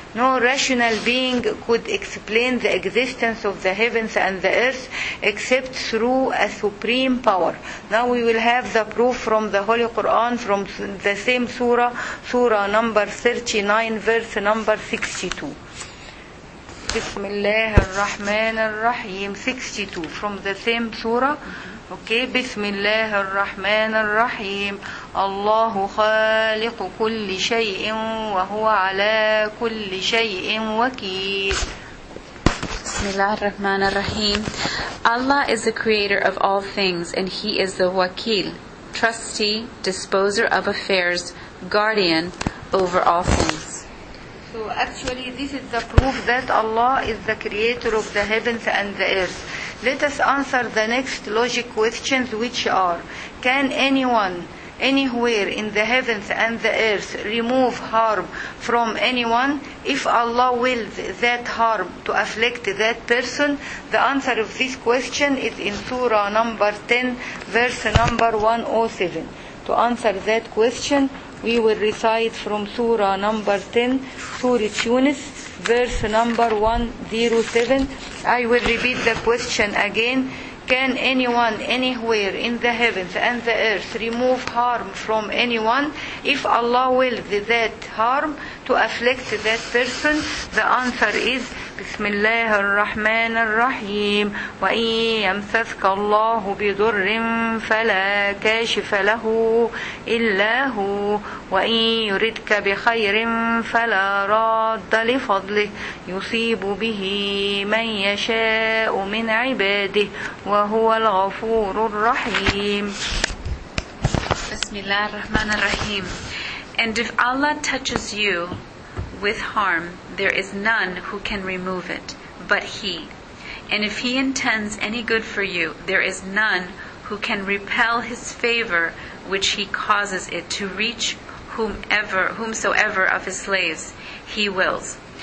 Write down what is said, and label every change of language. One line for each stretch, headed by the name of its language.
English: No rational being could explain the existence of the heavens and the earth except through a supreme power. Now we will have the proof from the Holy Quran, from the same surah, surah number 39, verse number 62.
Arabic: بسم الله الرحمن الرحيم
English: 62 from the same surah.
Arabic: Okay, بسم الله الرحمن الرحيم الله خالق كل شيء وهو على كل شيء وكيل. بسم الله الرحمن الرحيم.
English: Allah is the creator of all things and he is the wakil, trustee, disposer of affairs, guardian over all things. So actually this is the proof that Allah is the creator of the heavens and the earth. Let us answer the next logic questions, which are, can anyone anywhere in the heavens and the earth remove harm from anyone? If Allah wills that harm to afflict that person, the answer of this question is in Surah number 10, verse number 107. To answer that question, we will recite from Surah number 10, Surah Yunus, verse number 107. I will repeat the question again. Can anyone anywhere in the heavens and the earth remove harm from anyone? If Allah wills that harm to afflict that person, the answer is
Arabic: بسم الله الرحمن الرحيم وإن يمسسك الله بضر فلا كاشف له إلا هو وإن يردك بخير فلا راد لفضله يصيب به من يشاء من عباده وهو الغفور الرحيم. بسم الله الرحمن الرحيم.
English: And if Allah touches you with harm, there is none who can remove it but He. And if He intends any good for you, there is none who can repel His favor which He causes it to reach whomsoever of His slaves He wills.